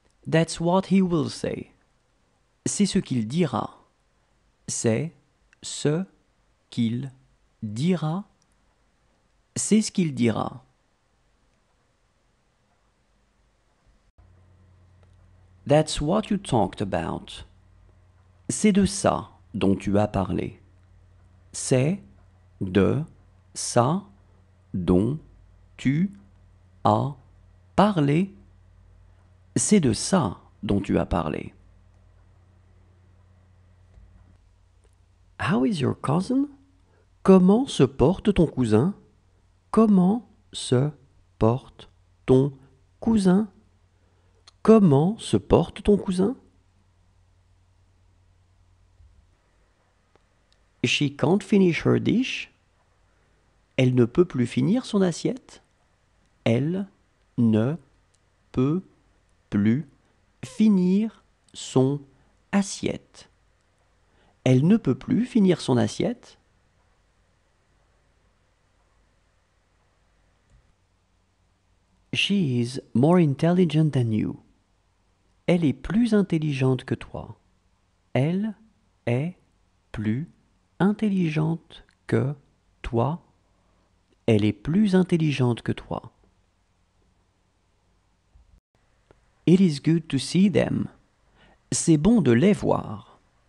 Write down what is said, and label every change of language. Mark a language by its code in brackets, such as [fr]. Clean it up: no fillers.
[en] That's what he will say. [fr] C'est ce qu'il dira. C'est ce qu'il dira. C'est ce qu'il dira. [en] That's what you talked about. [fr] C'est de ça dont tu as parlé. C'est de ça dont tu as parlé. C'est de ça dont tu as parlé. [en] How is your cousin? [fr] Comment se porte ton cousin? Comment se porte ton cousin? Comment se porte ton cousin? [en] She can't finish her dish. [fr] Elle ne peut plus finir son assiette. Elle ne peut plus finir son assiette. Elle ne peut plus finir son assiette. [en] She is more intelligent than you. [fr] Elle est plus intelligente que toi. Elle est plus intelligente que toi. Elle est plus intelligente que toi. [en] It is good to see them. [fr] C'est bon de les voir.